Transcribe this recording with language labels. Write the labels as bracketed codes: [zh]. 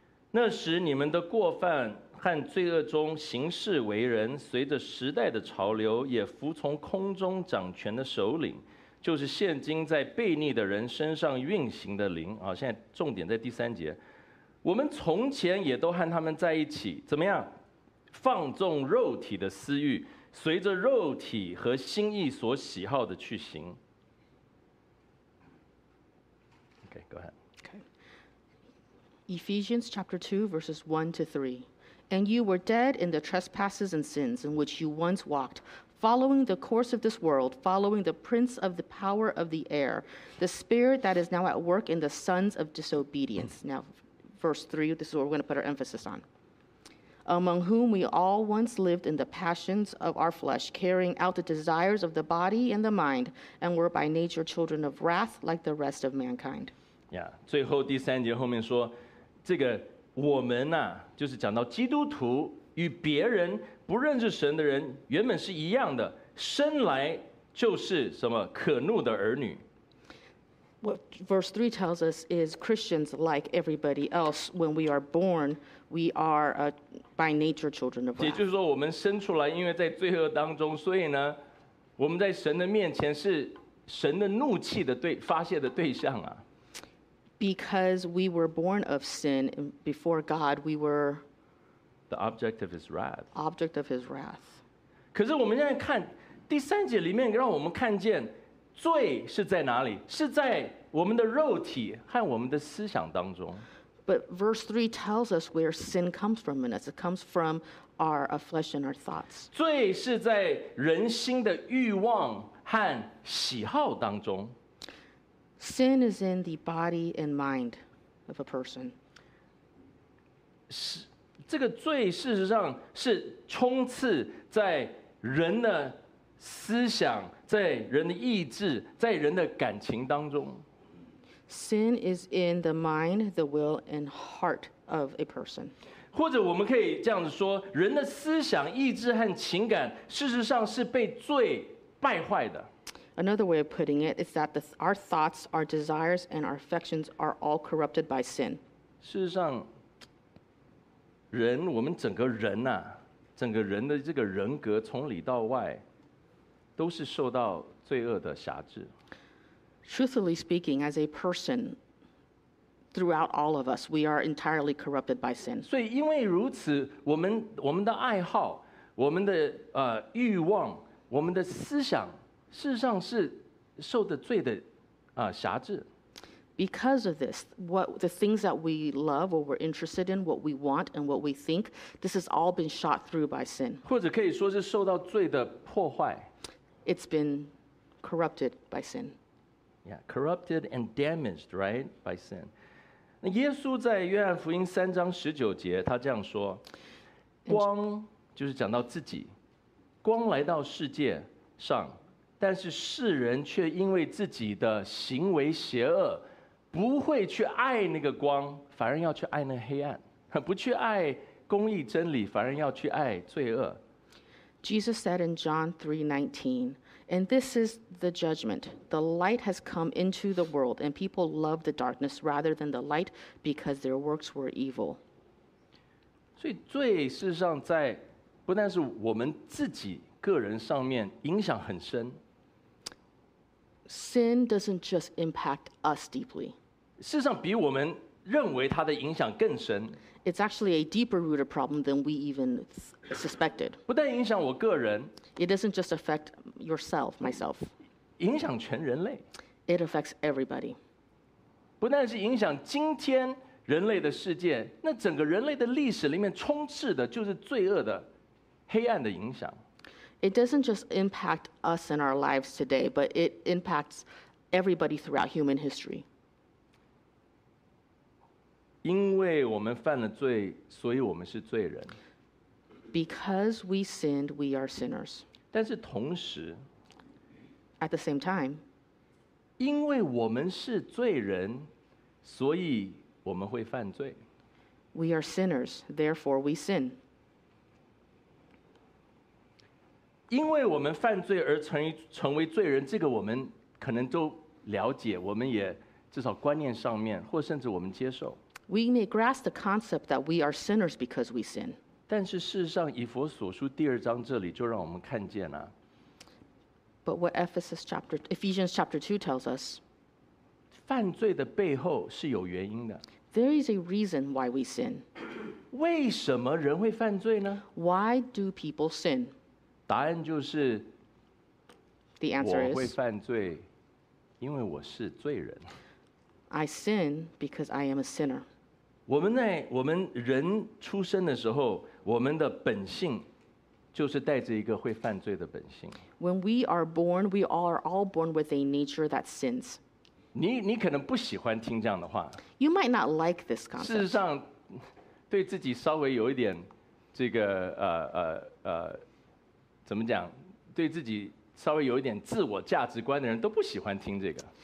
[zh] 那时你们的过犯和罪恶中行事为人，随着时代的潮流，也服从空中掌权的首领，就是现今在悖逆的人身上运行的灵。现在重点在第三节。我们从前也都和他们在一起，怎么样？放纵肉体的私欲，随着肉体和心意所喜好的去行。 [en] Okay, go ahead. Okay. Ephesians chapter 2, verses 1 to 3. And you were dead in the trespasses and sins in which you once walked, following the course of this world, following the prince of the power of the air, the spirit that is now at work in the sons of disobedience. Now, verse 3, this is what we're going to put our emphasis on. Among whom we all once lived in the passions of our flesh, carrying out the desires of the body and the mind, and were by nature children of wrath like the rest of mankind. [zh] Yeah, 最后第三节后面说，这个我们啊，就是讲到基督徒与别人不认识神的人原本是一样的，生来就是什么可怒的儿女。 [en] What verse 3 tells us is Christians, like everybody else, when we are born, we are by nature children of wrath. [zh] 也就是说我们生出来因为在罪恶当中，所以呢我们在神的面前是神的怒气的对发泄的对象啊。 [en] Because we were born of sin, before God, we were the object of his wrath. Object of his wrath. [zh] 可是我们现在看第三节里面让我们看见罪是在哪里？是在我们的肉体和我们的思想当中。 [en] But verse 3 tells us where sin comes from in us. It comes from our flesh and our thoughts. [zh] 罪是在人心的欲望和喜好当中。 [en] Sin is in the body and mind of a person. [zh] 这个罪事实上是充斥在人的思想，在人的意志，在人的感情当中。 [en] Sin is in the mind, the will, and heart of a person. [zh] 或者我们可以这样子说，人的思想、意志和情感，事实上是被罪败坏的。 [en] Another way of putting it is that our thoughts, our desires, and our affections are all corrupted by sin. [zh] 事实上，人，我们整个人啊，整个人的这个人格，从里到外都是受到罪恶的辖制。 [en] Truthfully speaking, as a person, throughout all of us, we are entirely corrupted by sin. [zh] 所以因为如此，我们的爱好，我们的欲望，我们的思想，事实上是受的罪的辖制。 [en] Because of this, what the things that we love or we're interested in, what we want and what we think, this has all been shot through by sin. [zh] 或者可以说是受到罪的破坏。 [en] It's been corrupted by sin. Yeah, corrupted and damaged, right? By sin. [zh] 那耶稣在约翰福音三章十九节，他这样说：“光就是讲到自己，光来到世界上，但是世人却因为自己的行为邪恶，不会去爱那个光，反而要去爱那黑暗；不去爱公义真理，反而要去爱罪恶。” [en] Jesus said in John 3:19, and this is the judgment. The light has come into the world, and people love the darkness rather than the light because their works were evil. [zh] 所以罪事实上在不但是我们自己个人上面影响很深。 [en] Sin doesn't just impact us deeply. [zh] 事实上比我们认为它的影响更深。 [en] It's actually a deeper rooted problem than we even suspected. [zh] 不但影响我个人， [en] It doesn't just affect yourself, myself. [zh] 影响全人类。 [en] It affects everybody. [zh] 不但是影响今天人类的世界，那整个人类的历史里面充斥的就是罪恶的黑暗的影响。 [en] It doesn't just impact us in our lives today, but it impacts everybody throughout human history. [zh] 因为我们犯了罪，所以我们是罪人。 [en] Because we sinned, we are sinners. [zh] 但是同时 [en] ，at the same time， [zh] 因为我们是罪人，所以我们会犯罪。 [en] We are sinners, therefore we sin. [zh] 因为我们犯罪而成为罪人，这个我们可能都了解，我们也至少观念上面，或甚至我们接受。 [en] We may grasp the concept that we are sinners because we sin. [zh] 但是事实上，以弗所书第二章这里就让我们看见了。 [en] But what Ephesians chapter 2 tells us, [zh] 犯罪的背后是有原因的。 [en] There is a reason why we sin. [zh] 为什么人会犯罪呢？ [en] Why do people sin? [zh] 答案就是 [en] The answer is, [zh] 我会犯罪，因为我是罪人。 [en] I sin because I am a sinner. [zh] 我们在我们人出生的时候，我们的本性就是带着一个会犯罪的本性。 [en] When we are born, we are all born with a nature that sins. [zh] 你可能不喜欢听这样的话。 [en] You might not like this concept. [zh] 事实上，对自己稍微有一点这个怎么讲？对自己稍微有一点自我价值观的人都不喜欢听这个。